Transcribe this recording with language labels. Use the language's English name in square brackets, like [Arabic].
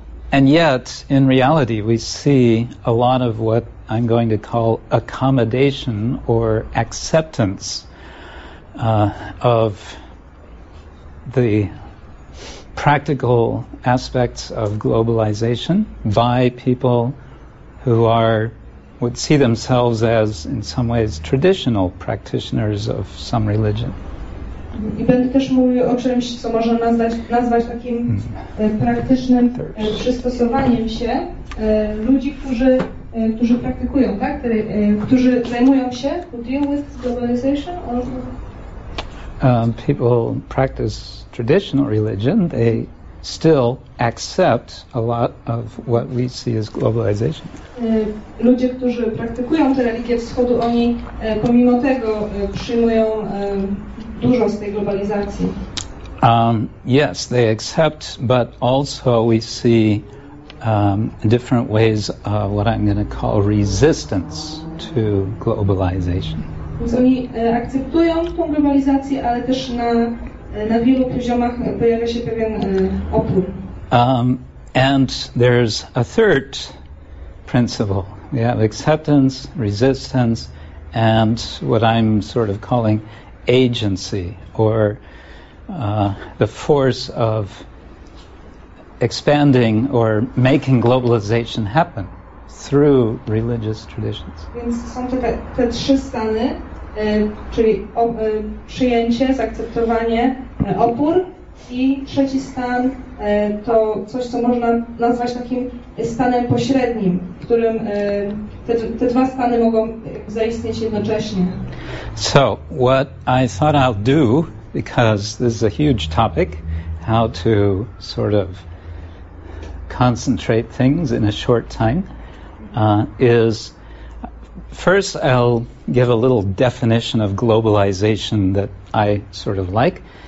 [English] And yet, in reality, we see a lot of what I'm going to call accommodation or acceptance of the practical aspects of globalization by people who are would see themselves as, in some ways, traditional practitioners of some religion. [Polish] I będę też mówił o czymś, co można nazwać takim praktycznym przystosowaniem się ludzi, którzy praktykują, tak? Którzy zajmują się, [English] who deal with globalization, or... People practice traditional religion, they still accept a lot of what we see as globalization. [Polish] Ludzie, którzy praktykują te religie wschodu, oni pomimo tego przyjmują dużo z tej globalizacji. [English] Yes, they accept, but also we see different ways of what I'm going to call resistance to globalization. [Polish] Więc oni akceptują tą globalizację, ale też na wielu poziomach pojawia się pewien opór. [English] And there's a third principle. We have acceptance, resistance, and what I'm sort of calling agency, or the force of expanding or making globalization happen through religious traditions. [Polish] Więc są te trzy stany, czyli przyjęcie, zaakceptowanie, opór, i trzeci stan to coś, co można nazwać takim stanem pośrednim, w którym te dwa stany mogą zaistnieć jednocześnie. [English] So, what I thought I'll do, because this is a huge topic, how to sort of concentrate things in a short time, is first I'll give a little definition of globalization that I sort of like.